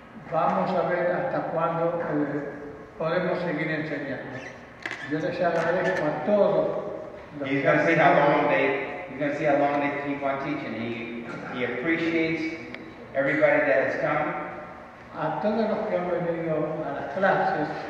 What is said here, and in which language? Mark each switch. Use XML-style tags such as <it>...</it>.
<es>Vamos a ver hasta cuándo podemos seguir enseñando. Yo les agradezco a todos.</es> <en>He's going to see how long they keep on teaching. He appreciates everybody that has come.</en> <es>A todos los que han venido a las clases.</es>